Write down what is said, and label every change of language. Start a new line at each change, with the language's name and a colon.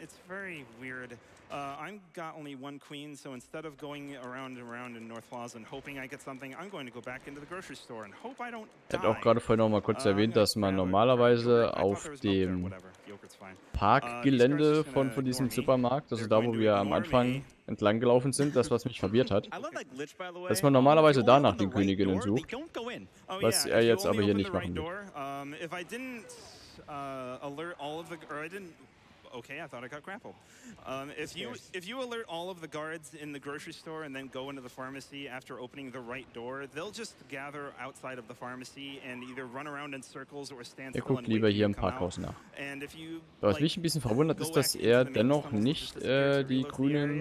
English: It's very weird. I've got only one queen, so instead of going around and around in North Plaza and hoping I get something, I'm going to go back into the grocery store and hope I don't die.
German: Ich hatte auch gerade vorhin noch mal kurz erwähnt, dass man normalerweise auf dem Parkgelände von diesem Supermarkt, also da, wo wir am Anfang entlang gelaufen sind, das, was mich verwirrt hat, dass man normalerweise danach die Königinnen sucht, was er jetzt aber hier nicht machen will.
English: Okay, I thought I got grappled. If you alert all of the guards in the grocery store and then go into the pharmacy after opening the right door, they'll just gather outside of the pharmacy and either run around in circles or stand still.
German: Er guckt lieber hier im Parkhaus nach.
English: And if you,
German: was mich ein bisschen verwundert ist, dass er dennoch nicht die Grünen.